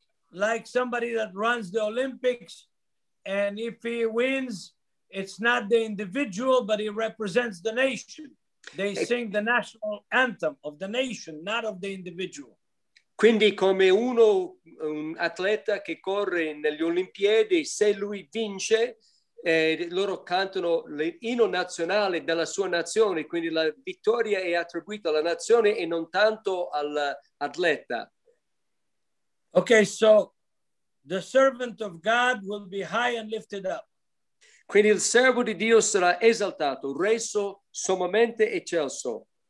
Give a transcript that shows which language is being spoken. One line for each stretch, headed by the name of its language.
English: Like somebody that runs the Olympics, and if he wins, it's not the individual, but he represents the nation. They sing the national anthem of the nation, not of the individual.
Italian: Quindi come uno, un atleta che corre negli Olimpiadi, se lui vince, loro cantano l'inno nazionale della sua nazione, quindi la vittoria è attribuita alla nazione e non tanto all'atleta.
English: Okay, so the servant of God will be high and lifted up.
Italian: Quindi il servo di Dio sarà esaltato, reso sommamente eccelso.